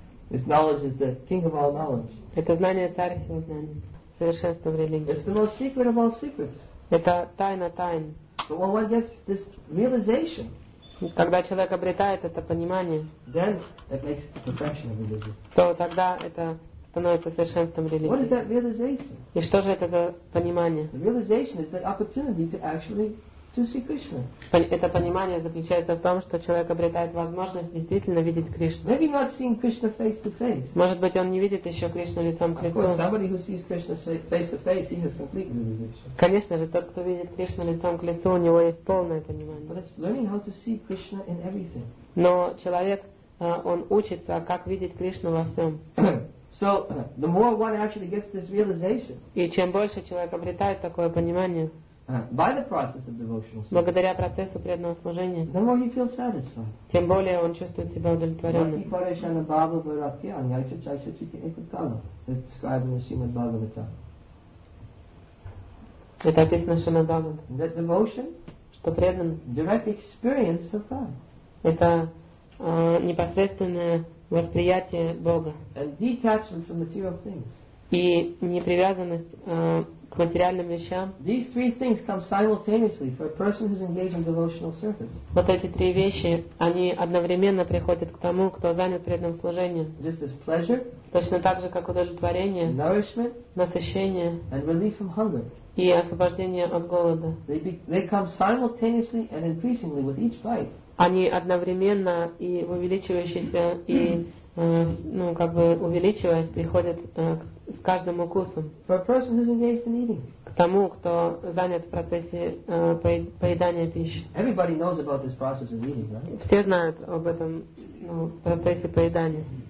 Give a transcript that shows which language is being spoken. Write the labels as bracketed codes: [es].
[en] This knowledge is the king of all knowledge. [ru] Это знание царь всего знания, совершенство в религии. [en] It's the most secret of all secrets. [ru] Это тайна тайн. [en] But when one gets this realization, [ru] когда человек обретает это понимание, [en] then it makes it the perfection of religion. [ru] То тогда это становится совершенством религии. [en] What is that realization? [ru] И что же это за понимание? [en] The realization is the opportunity to actually [ru] Это понимание заключается в том, что человек обретает возможность действительно видеть Кришну. [en] Maybe not seeing Krishna face to face. [ru] Может быть, он не видит еще Кришну лицом к лицу. [en] Of course, somebody who sees Krishna face to face, he has complete realization. [ru] Конечно же, тот, кто видит Кришну лицом к лицу, у него есть полное понимание. [en] But it's learning how to see Krishna in everything. [ru] Но человек, он учится, как видеть Кришну во всем. [en] So the more one actually gets this realization. [ru] И чем больше человек обретает такое понимание. [en] By the process of devotional service. [ru] Благодаря процессу преданного служения. [en] The more he feels satisfied. [ru] Тем более он чувствует себя удовлетворенным. [en] Like [sa] Parashana Baba Bharatiya, Nyaicha Chaisa Chiti Ekutala, [en] as described in the Srimad Bhagavata. [ru] Это описано в Шримад Бхагаватам. [en] That devotion, [ru] что преданность, [en] direct experience of God. [ru] Это непосредственное восприятие Бога. [en] And detachment from material things. [ru] И непривязанность к материальным вещам. [en] These three things come simultaneously for a person who's engaged in devotional service. [ru] Вот эти три вещи, они одновременно приходят к тому, кто занят преданным служением. [en] Just as pleasure. [ru] Точно так же, как удовлетворение. [en] Nourishment. [ru] Насыщение. [en] And relief from hunger. [ru] И освобождение от голода. [en] They come simultaneously and increasingly with each bite. [ru] Они одновременно и увеличивающиеся и ну как бы увеличиваясь приходят к с каждым укусом. [en] For a person who's engaged in eating. [ru] К тому, кто занят в процессе поедания пищи. [en] Everybody knows about this process of eating, right? [ru] Все знают об этом процессе поедания.